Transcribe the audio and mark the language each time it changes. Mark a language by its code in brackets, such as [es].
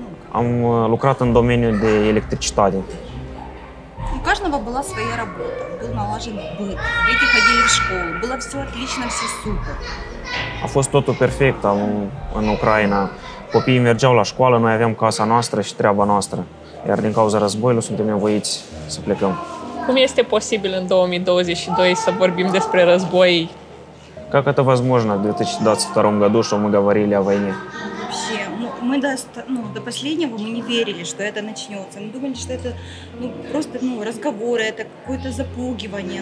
[ro] Am lucrat în domeniul de electricitate. [ru] У каждого была своя работа. Был налажен быт. Дети ходили в школу. Было все отлично, все супер. [ro] A fost totul perfect în Ucraina. Copiii mergeau la școală, noi aveam casa noastră și treaba noastră. Iar din cauza războiului suntem nevoiți să plecăm. Cum este posibil în 2022 să vorbim despre război? [ru] Как это возможно в 2022 году, что мы говорили о войне? Вообще, мы до последнего мы не верили, что это начнется. Мы думали, что это просто разговоры, это какое-то запугивание.